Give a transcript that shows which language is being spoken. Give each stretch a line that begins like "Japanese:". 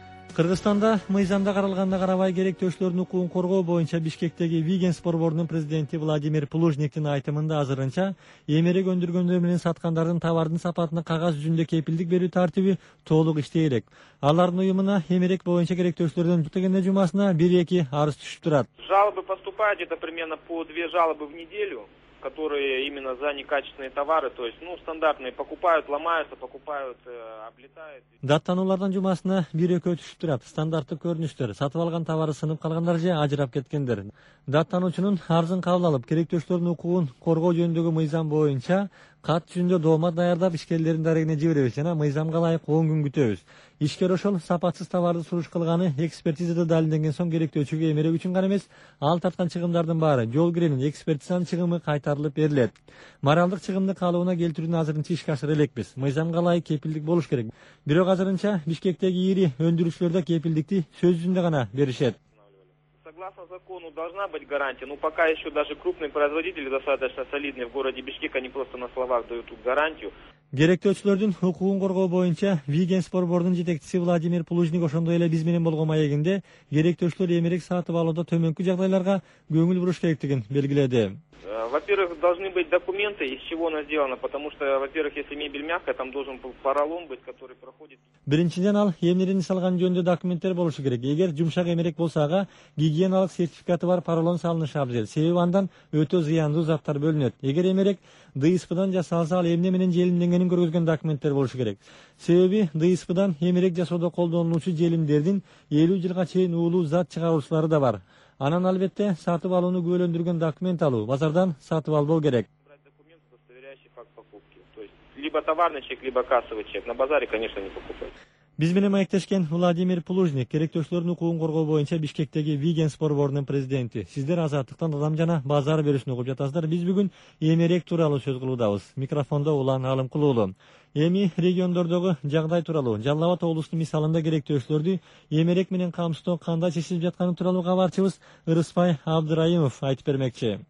Kyrgyz: Кыргызстанда мыйзамда каралганына карабай керектөөчүлөрдүн укугун коргоо боюнча Бишкектеги Виген спор борунун президенти Владимир Плужниктин айтымында азырынча эмерек өндүргөндөр менен саткандардын товардын сапатына кагаз жүзүндө кепилдик берүү тартиби толук иштей элек. Алардын уюмуна эмерек боюнча керектөөчүлөрдөн жүктөгөндө жумасына 1-2 арыз түшүп турат.
Russian: Жалобы поступают где-то примерно по 2 жалобы в неделю, которые именно за некачественные товары, то есть, ну, стандартные, покупают, ломаются, покупают, облетают.
Kyrgyz: Даттануулардан жумасына 1-2 түшүп турат. Стандарттык көрүнүштөр, сатып алган товары сынып калгандар же ажырап кеткендер. Даттануучунун арызын кабыл алып, керектөөчүлөрдүн укугун коргоо жөнүндөгү мыйзам боюнча кат жүзүндө доома даярдап, ишкерлердин дарегине жибиребиз жана мыйзамга ылайык 10 күн күтөбүз. Ишкер ошол сапатсыз товарды суруш кылганы экспертизада далилденген соң керектөөчүгө эмерек үчүн гана эмес, ал тарткан чыгымдардын баары жол киренин экспертизанын чыгымы кайтарылып берилет. Моралдык чыгымды каалоуна келтирүүнү азырынча ишке ашыра элекпиз. Мыйзамга ылайык кепилдик болуш керек. Бирок азырынча Бишкектеги ири өндүрүүчүлөрдө кепилдикти сөз жүзүндө гана беришет.
Russian: Согласно закону должна быть гарантия, но пока еще даже крупные производители, достаточно солидные в городе Бишкек, они просто на словах дают тут гарантию.
Kyrgyz: Керектөөчүлөрдүн укугун коргоо боюнча Виген спор борунун жетекчиси Владимир Плужник ошондой эле биз менен болгон маегинде керектөөчүлөр эмерек сатып алууда төмөнкү жагдайларга көңүл буруш керектигин белгиледи.
Russian: Во-первых, должны быть документы, из чего она сделана, потому что, во-первых, если мебель мягкая, там должен был поролон быть, который проходит.
Kyrgyz: Биринчиден ал эмнеден салган жөнүндө документтер болушу керек. Эгер жумшак эмерек болсо, ага гигиеналык сертификаты бар поролон салынышы абзел. Себеби андан өтө зыяндуу заттар бөлүнөт. Эгер эмерек ДСП-дан жасалса, ал эмне менен желимденгенин көргөзгөн документтер болушу керек. Себеби ДСП-дан эмерек жасоодо колдонулуучу желимдердин 50 жылга чейин уулуу зат чыгаруучулары да бар. Анан албетте сатып алууну күбөлөндүргөн документ алуу, базардан сатып албоо керек.
Russian: Либо товарный чек, либо кассовый чек. На базаре, конечно, не покупать.
Kyrgyz: Биз менен маектешкен Владимир Плужник, керектөөчүлөрдүн укугун коргоо боюнча Бишкектеги Виген спор борунун президенти. Сиздер Азаттыктан адам жана базар берүүсүн угуп жатасыздар. Биз бүгүн эмерек тууралуу сөз кылуудабыз. Микрофондо Улан Алымкул уулу. Эми региондордогу жагдай тууралуу, Жалал Абад облусунун мисалында керектөөчүлөрдү эмерек менен камсыздоо кандай чечилип жатканы тууралуу кабарчыбыз Ырысбай Абдырайымов айтып бермекчи.